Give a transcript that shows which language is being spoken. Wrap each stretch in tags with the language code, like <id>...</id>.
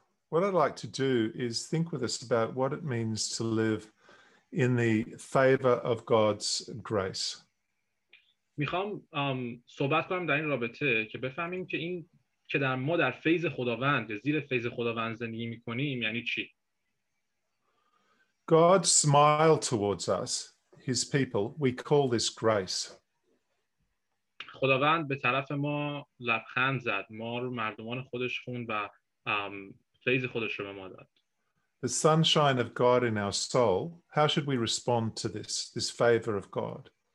<en>What I'd like to do is think with us about what it means to live in the favor of God's grace.</en> <fa>میخوام صحبت کنم در این رابطه که بفهمیم که این که در ما در فیض خداوند زیر فیض خداوند زندگی میکنیم یعنی چی.</fa> <en>God smiled towards us. His people, we call this grace.</en> <fa>خداوند به طرف ما لبخند زد. ما رو مردمان خودش خوند و فیض خودش رو به ما داد.</fa> <en>The sunshine of God in our soul. How should we respond to this favor of God?</en>